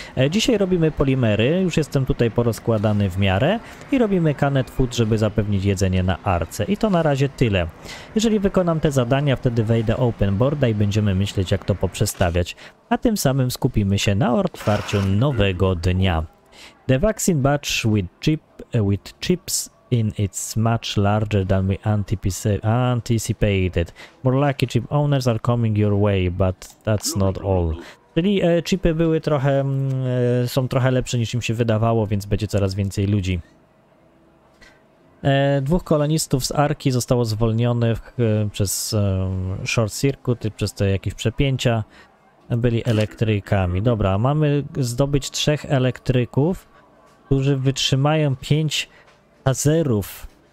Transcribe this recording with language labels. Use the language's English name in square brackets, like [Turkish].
[Polish] Dzisiaj robimy polimery, już jestem tutaj porozkładany w miarę. I robimy [English] canned food, [Polish] żeby zapewnić jedzenie na Arce. I to na razie tyle. Jeżeli wykonam te zadania, wtedy wejdę open boarda i będziemy myśleć, jak to poprzestawiać. A tym samym skupimy się na otwarciu nowego dnia. [English] The vaccine batch with chips in it's much larger than we anticipated. More lucky chip owners are coming your way, but that's not all. [Polish] Czyli chipy były trochę, są trochę lepsze niż im się wydawało, więc będzie coraz więcej ludzi. Dwóch kolonistów z Arki zostało zwolnionych przez [English] short circuit, [Polish] przez te jakieś przepięcia. Byli elektrykami. Dobra, mamy zdobyć trzech elektryków, którzy wytrzymają 5 tazerów.